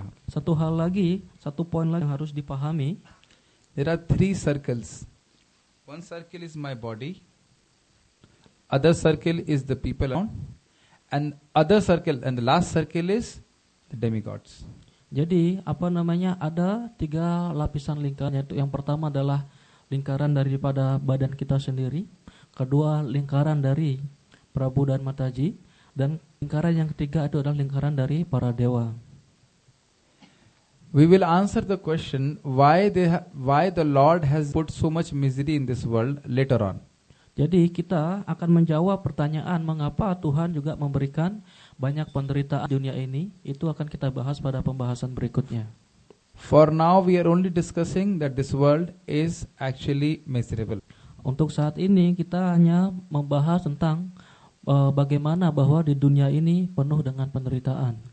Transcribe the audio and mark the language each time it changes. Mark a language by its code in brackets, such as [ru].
[id] Satu poin lagi yang harus dipahami. [en] There are three circles. One circle is my body. Other circle is the people around. And other circle and the last circle is the demigods. [id] Jadi ada tiga lapisan lingkaran, yaitu yang pertama adalah lingkaran daripada badan kita sendiri, kedua lingkaran dari Prabhu dan Mataji, dan lingkaran yang ketiga itu adalah lingkaran dari para dewa. [en] We will answer the question why the Lord has put so much misery in this world later on. [id] Jadi kita akan menjawab pertanyaan mengapa Tuhan juga memberikan banyak penderitaan dunia ini, itu akan kita bahas pada pembahasan berikutnya. [en] For now we are only discussing that this world is actually miserable. [id] Untuk saat ini kita hanya membahas tentang bagaimana bahwa di dunia ini penuh dengan penderitaan.